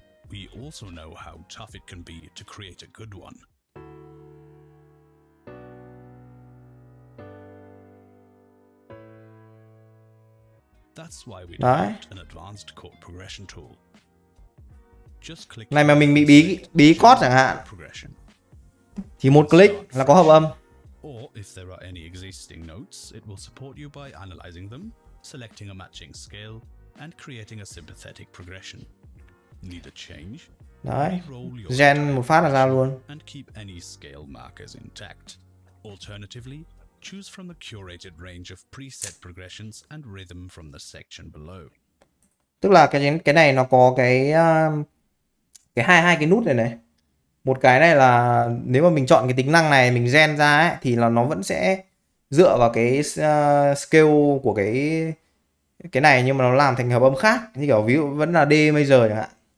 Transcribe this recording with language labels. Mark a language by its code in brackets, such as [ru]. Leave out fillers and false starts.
[en] We also know how tough it can be to create a good one. That's why we developed an advanced chord progression tool. Just click. [vi] Này mà mình bị bí chord chẳng hạn. Thì một click là có hợp âm. [en] Or if there are any existing notes, it will support you by analyzing them, selecting a matching scale and creating a sympathetic progression. Need a change? [vi] Đấy. Gen một phát là ra luôn. [en] And keep any scale markers intact. Alternatively, choose from the curated range of preset progressions and rhythm from the section below. [vi] Tức là cái này nó có cái hai cái nút này này. Một cái này là nếu mà mình chọn cái tính năng này mình gen ra ấy, thì là nó vẫn sẽ dựa vào cái scale của cái này nhưng mà nó làm thành hợp âm khác, như kiểu ví dụ vẫn là D major chẳng hạn.